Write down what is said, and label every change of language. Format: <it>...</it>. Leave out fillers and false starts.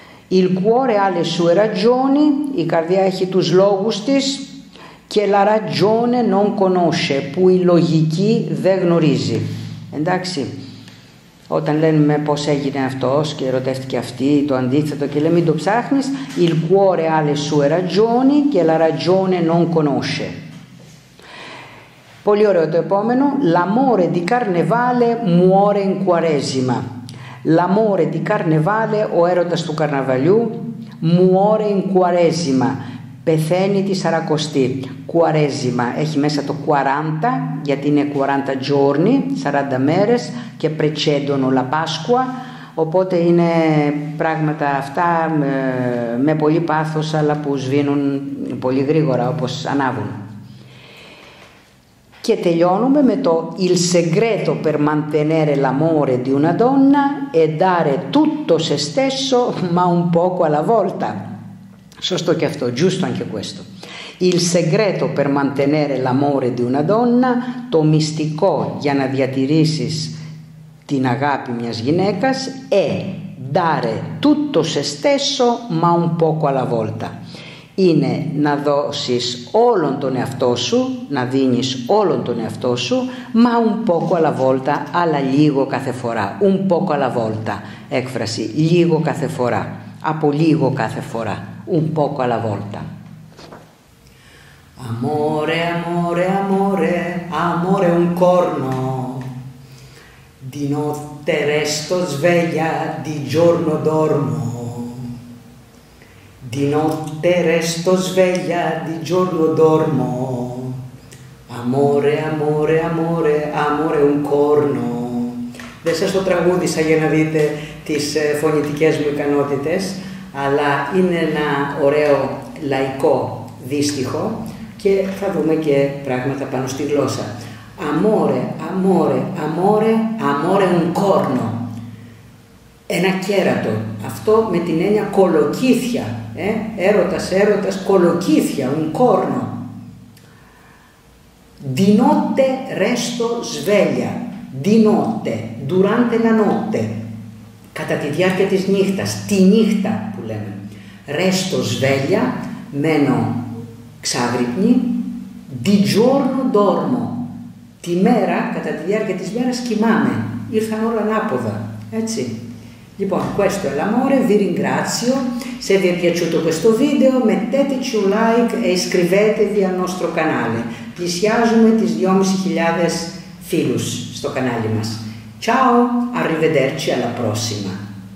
<it>Il cuore ha le sue ragioni,</it> <el>η καρδιά έχει τους λόγους της, και</el> <it>la ragione non conosce,</it> <el>που η λογική δεν γνωρίζει. Εντάξει, Όταν λένε πώς έγινε αυτός και ερωτεύτηκε αυτή, το αντίθετο και λέει μην το ψάχνεις,</el> <it>il cuore ha le sue ragioni che la ragione non conosce.</it> <el>Πολύ ωραίο το επόμενο.</el> <it>L'amore di carnevale muore in quaresima. L'amore di carnevale,</it> <el>ο έρωτας του καρναβαλιού,</el> <it>muore in quaresima.</it> <el>Πεθαίνει τη Σαρακοστή. Quaresima έχει μέσα το 40, γιατί είναι</el> <it>40 giorni,</it> <el>40 μέρες, και</el> <it>precedono la Pasqua.</it> <el>Οπότε είναι πράγματα αυτά με πολύ πάθος, αλλά που σβήνουν πολύ γρήγορα όπως ανάβουν. Και τελειώνουμε με το</el> <it>il segreto per mantenere l'amore di una donna e dare tutto se stesso, ma un poco alla volta.</it> <el>Σωστό και αυτό,</el> <it>giusto anche questo. Il segreto per mantenere l'amore di una donna,</it> <el>το μυστικό για να διατηρήσεις την αγάπη μιας γυναίκας,</el> <it>è dare tutto se stesso, ma un poco alla volta.</it> <el>Είναι να δώσεις όλον τον εαυτό σου, να δίνεις όλον τον εαυτό σου,</el> <it>ma un poco alla volta,</it> <el>αλλά λίγο κάθε φορά.</el> <it>Un poco alla volta,</it> <el>έκφραση, λίγο κάθε φορά, από λίγο κάθε φορά.</el> <it>Un poco alla volta. Amore, amore, amore, amore un corno. Di notte resto sveglia, di giorno dormo. Di notte resto sveglia, di giorno dormo. Amore, amore, amore, amore un corno.</it> <el>Δεν σας το τραγούδισα για να δείτε τις φωνητικές μου ικανότητες, αλλά είναι ένα ωραίο λαϊκό δίστιχο και θα δούμε και πράγματα πάνω στη γλώσσα.</el> <it>Amore, amore, amore, amore un corno.</it> <el>Ένα κέρατο. Αυτό με την έννοια κολοκύθια. Ε? Έρωτας, έρωτας, κολοκύθια,</el> <it>un corno. Di notte resto sveglia. Di notte, durante la notte.</it> <el>Κατά τη διάρκεια της νύχτας, τη νύχτα που λέμε.</el> <it>Resto sveglia,</it> <el>μένω ξάγρυπνη.</el> <it>Di giorno dormo.</it> <el>Τη μέρα, κατά τη διάρκεια της μέρας, κοιμάμαι. Ήρθαν όλα ανάποδα, έτσι. Λοιπόν,</el> <it>questo è l'amore, vi ringrazio. Se vi è piaciuto questo video, metteteci un like e iscrivetevi al nostro canale.</it> <el>Πλησιάζουμε τις 2.500 φίλους στο κανάλι μας.</el> <it>Ciao, arrivederci alla prossima.</it>